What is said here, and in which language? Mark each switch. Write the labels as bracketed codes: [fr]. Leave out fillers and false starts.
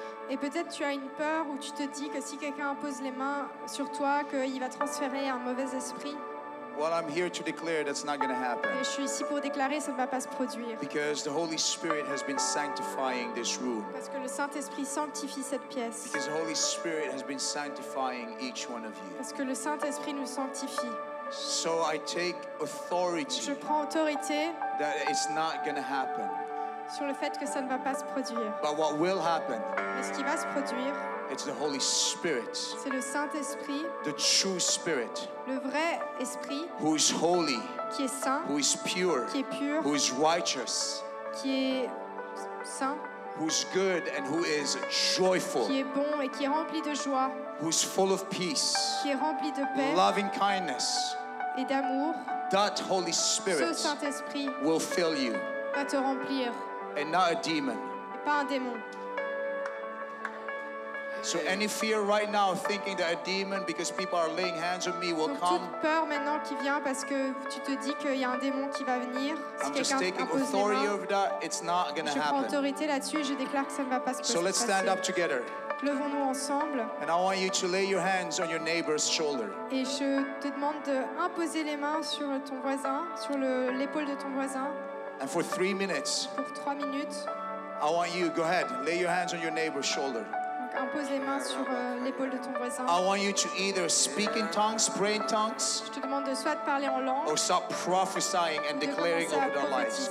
[fr] Et peut-être tu as une peur où tu te dis que si quelqu'un pose les mains sur toi, qu'il va transférer un mauvais esprit. [en] Well, I'm here to declare that's not going to happen. [fr] Et je suis ici pour déclarer ça ne va pas se produire. [en] Because the Holy Spirit has been sanctifying this room. [fr] Parce que le Saint-Esprit sanctifie cette pièce. [en] Because the Holy Spirit has been sanctifying each one of you. [fr] Parce que le Saint-Esprit nous sanctifie. [en] So I take authority. [fr] Je prends autorité. [en] That it's not going to happen. [fr] Sur le fait que ça ne va pas se produire. [en] But what will happen? [fr] Mais ce qui va se produire. [en] It's the Holy Spirit. [fr] C'est le Saint-Esprit. [en] The true Spirit. [fr] Le vrai esprit. [en] Who is holy? [fr] Qui est saint. [en] Who is pure? [fr] Qui est pur. [en] Who is righteous? [fr] Qui est saint. [en] Who is good and who is joyful? [fr] Qui est bon et qui est rempli de joie. [en] Who is full of peace? [fr] Qui est rempli de paix. [en] Loving kindness. [fr] Et d'amour. [en] That Holy Spirit. [fr] Ce Saint-Esprit. [en] Will fill you. [fr] Va te remplir. [en] And not a demon. [fr] Et pas un démon. [en] So any fear right now, thinking that a demon, because people are laying hands on me, will [fr] donc, [en] come. [fr] Toute peur maintenant qui vient parce que tu te dis qu'il y a un démon qui va venir. [en] I'm just taking authority over that. It's not going to happen. [fr] Je prends autorité là-dessus et je déclare que ça ne va pas se passer. [en] So let's stand up together. [fr] Levons-nous ensemble. [en] And I want you to lay your hands on your neighbor's shoulder. [fr] Et je te demande de imposer les mains sur ton voisin, sur l'épaule de ton voisin. [en] And for 3 minutes. [fr] Pour 3 minutes. [en] I want you, go ahead, lay your hands on your neighbor's shoulder. [fr] Impose les mains sur l'épaule de ton voisin. [en] I want you to either speak in tongues, pray in tongues. [fr] Je te demande de soit parler en langue. [en] Or stop prophesying and declaring over their lives.